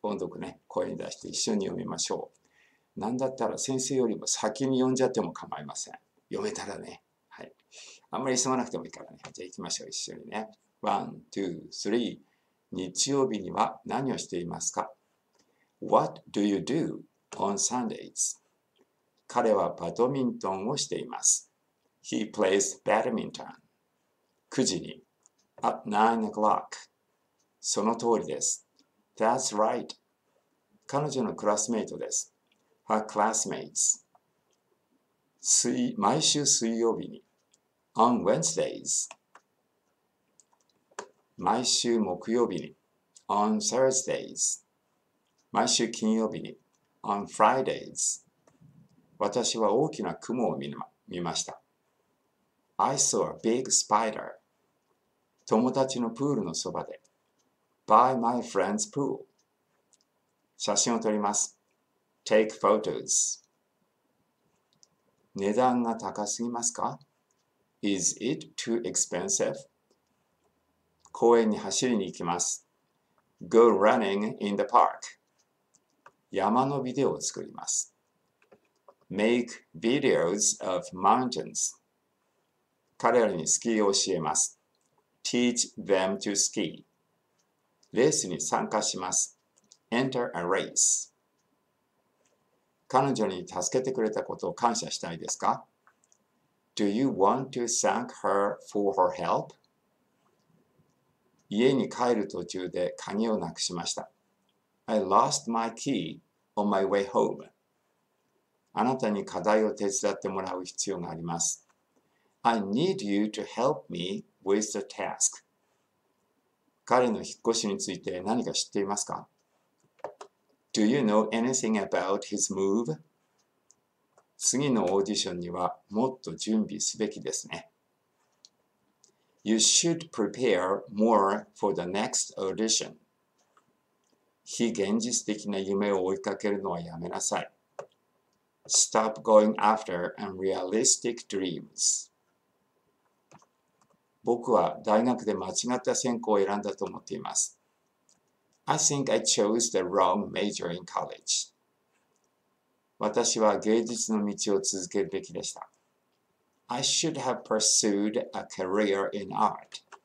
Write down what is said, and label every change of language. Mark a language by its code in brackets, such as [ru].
[ja] 音読ね、声に出して一緒に読みましょう。何だったら先生よりも先に読んじゃっても構いません。読めたらね、はい、あんまり急がなくてもいいからね。じゃあ行きましょう、一緒にね。 [en] ワン、ツー、スリー。 [ja] 日曜日には何をしていますか？ [en] What do you do on Sundays? [ja] 彼はバドミントンをしています。 [en] He plays badminton。 [ja] 9時に。 [en] At 9 o'clock. [ja] その通りです。 [en] That's right. [ja] 彼女のクラスメイトです。 [en] Her classmates. [ja] 毎週水曜日に。 [en] On Wednesdays. [ja] 毎週木曜日に。 [en] On Thursdays. [ja] 毎週金曜日に。 [en] On Fridays. [ja] 私は大きなクモを見ました。 [en] I saw a big spider. [ja] 友達のプールのそばで。 [en] By my friend's pool. [ja] 写真を撮ります。 [en] Take photos. [ja] 値段が高すぎますか ? [en] Is it too expensive? [ja] 公園に走りに行きます。 [en] Go running in the park. [ja] 山のビデオを作ります。 [en] Make videos of mountains. [ja] 彼らにスキーを教えます。 [en] Teach them to ski. [ja] レースに参加します。 [en] Enter a race. [ja] 彼女に助けてくれたことを感謝したいですか ? [en] Do you want to thank her for her help? [ja] 家に帰る途中で鍵をなくしました。 [en] I lost my key on my way home. [ja] あなたに課題を手伝ってもらう必要があります。 [en] I need you to help me. With the task. [ja] 彼の引っ越しについて何か知っていますか? [en] Do you know anything about his move? [ja] 次のオーディションにはもっと準備すべきですね。 [en] You should prepare more for the next audition. [ja] 非現実的な夢を追いかけるのはやめなさい。 [en] Stop going after unrealistic dreams. [ja] 僕は大学で間違った専攻を選んだと思っています。 [en] I think I chose the wrong major in college. [ja] 私は芸術の道を続けるべきでした。 [en] I should have pursued a career in art.